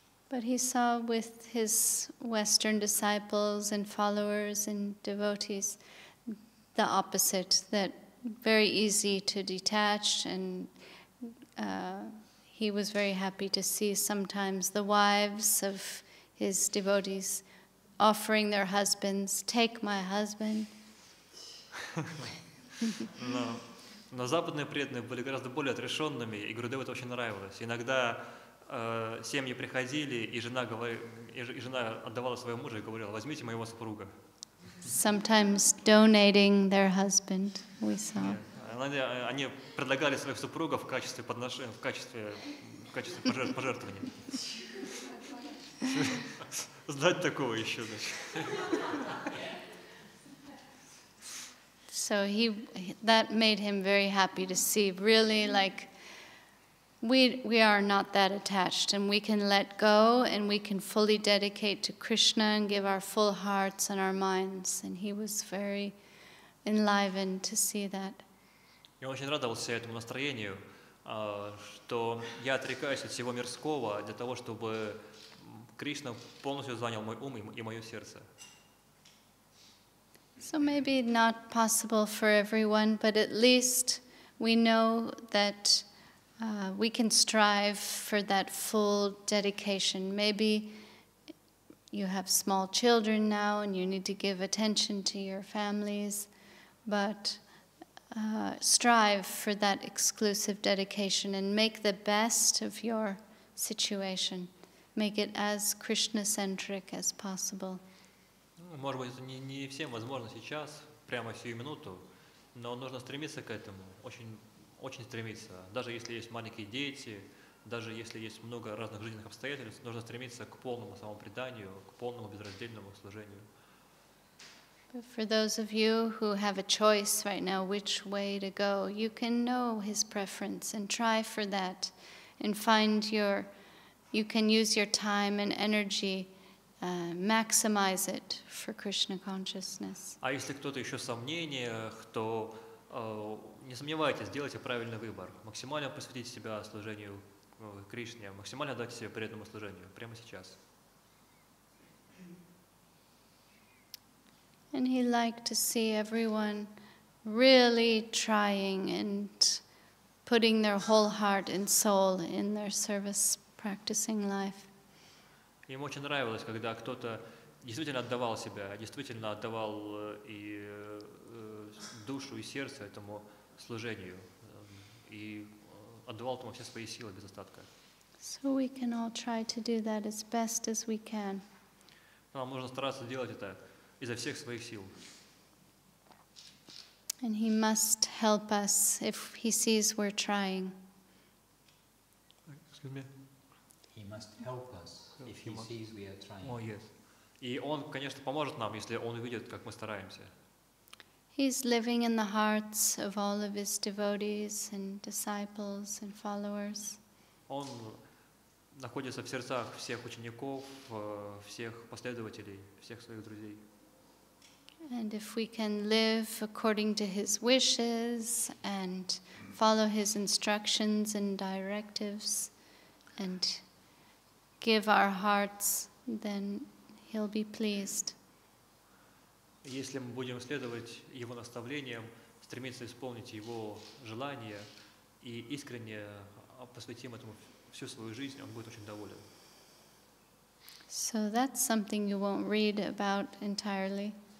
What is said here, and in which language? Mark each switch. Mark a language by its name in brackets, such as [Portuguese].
[English] But he saw with his Western disciples and followers and devotees the opposite, that very easy to detach, and he was very happy to see sometimes the wives of his devotees offering their husbands, take my husband. [Russian] Но западные преданные были гораздо более отрешенными, и Гурудеву это очень нравилось. Иногда семьи приходили, и жена отдавала своего мужа и говорила, возьмите моего супруга. [English] Sometimes donating their husband, we saw. [Russian] Они предлагали своих супругов в качестве пожертвования. Знать такого еще, значит. [English] So he, that made him very happy to see, really, like, we are not that attached, and we can let go, and we can fully dedicate to Krishna and give our full hearts and our minds. And he was very enlivened to see that. [Russian] И он очень радовался этому настроению, что я отрекаюсь от всего мирского для того, чтобы Кришна полностью занял мой ум и мое сердце. [English] So maybe not possible for everyone, but at least we know that we can strive for that full dedication. Maybe you have small children now and you need to give attention to your families, but strive for that exclusive dedication and make the best of your situation. Make it as Krishna-centric as possible. [Russian] Может быть, это не всем возможно сейчас, прямо сию минуту, но нужно стремиться к этому, очень, очень стремиться. Даже если есть маленькие дети, даже если есть много разных жизненных обстоятельств, нужно стремиться к полному самопреданию, к полному безраздельному служению. [English] But for those of you who have a choice right now which way to go, you can know his preference and try for that and find your, you can use your time and energy, maximize it for Krishna consciousness. [Russian] А если кто-то еще в сомнениях, то не сомневайтесь, сделайте правильный выбор. Максимально посвятите себя служению Кришне, максимально дать себе преданному служению прямо сейчас. [English] And he liked to see everyone really trying and putting their whole heart and soul in their service practicing life. [Russian] Ему очень нравилось, когда кто-то действительно отдавал себя, действительно отдавал и душу, и сердце этому служению, и отдавал этому все свои силы без остатка. [English] So we can all try to do that as best as we can. [Russian] Нам нужно стараться делать это изо всех своих сил. [English] And he must help us if he sees we're trying. Excuse me. He must help us if he sees we are trying. Oh, yes. [Russian] И он, конечно, поможет нам, если он увидит, как мы стараемся. [English] He's living in the hearts of all of his devotees and disciples and followers. [Russian] Он находится в сердцах всех учеников, всех последователей, всех своих друзей. [English] And if we can live according to his wishes and follow his instructions and directives and give our hearts, then he'll be pleased. [Russian] Если мы будем следовать его наставлениям, стремиться исполнить его желания и искренне посвятим этому всю свою жизнь, он будет очень доволен. [English] So that's something you won't read about entirely.